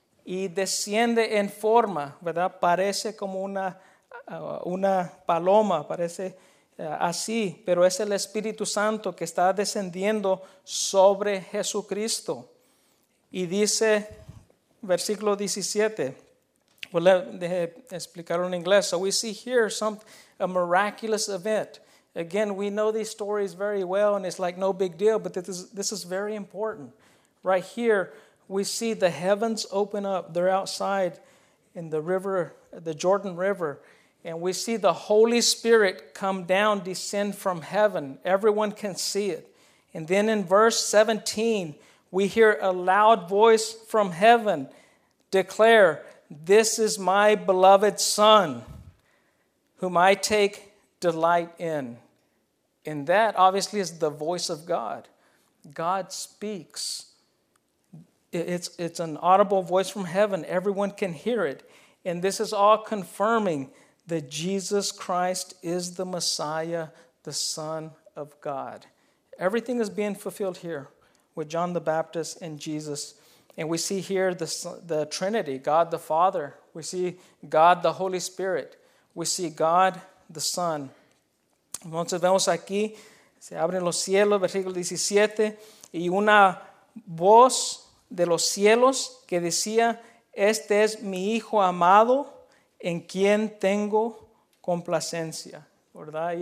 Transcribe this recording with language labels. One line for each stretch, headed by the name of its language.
Spanish: Y desciende en forma, ¿verdad? Parece como una paloma, parece así, pero es el Espíritu Santo que está descendiendo sobre Jesucristo. Y dice, versículo 17, déjame explicarlo en inglés.
English: So we see here a miraculous event. Again, we know these stories very well, and it's like no big deal, but this is very important. Right here, we see the heavens open up. They're outside in the river, the Jordan River. And we see the Holy Spirit come down, descend from heaven. Everyone can see it. And then in verse 17, we hear a loud voice from heaven declare, "This is my beloved Son, whom I take delight in." And that obviously is the voice of God. God speaks. It's an audible voice from heaven. Everyone can hear it. And this is all confirming that Jesus Christ is the Messiah, the Son of God. Everything is being fulfilled here with John the Baptist and Jesus. And we see here the Trinity, God the Father. We see God the Holy Spirit. We see God the Son.
Spanish: Entonces vemos aquí, se abren los cielos, versículo 17, y una voz de los cielos que decía, "Este es mi Hijo amado, en quien tengo complacencia." ¿Verdad?